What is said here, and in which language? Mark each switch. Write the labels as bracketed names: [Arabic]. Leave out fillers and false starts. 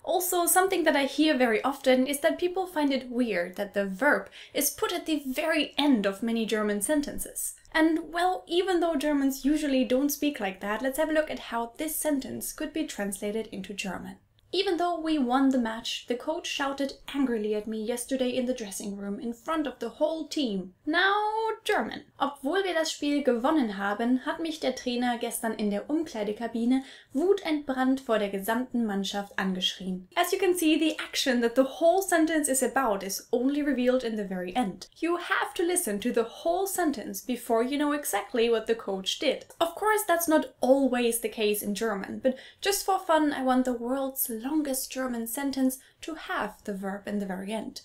[English] Also, something that I hear very often is that people find it weird that the verb is put at the very end of many German sentences. And, well, even though Germans usually don't speak like that, let's have a look at how this sentence could be translated into German. Even though we won the match, the coach shouted angrily at me yesterday in the dressing room in front of the whole team. Now, German. [German] Obwohl wir das Spiel gewonnen haben, hat mich der Trainer gestern in der Umkleidekabine wutentbrannt vor der gesamten Mannschaft angeschrien. [English] As you can see, the action that the whole sentence is about is only revealed in the very end. You have to listen to the whole sentence before you know exactly what the coach did. Of course, that's not always the case in German, but just for fun, I want the world's longest German sentence to have the verb in the very end.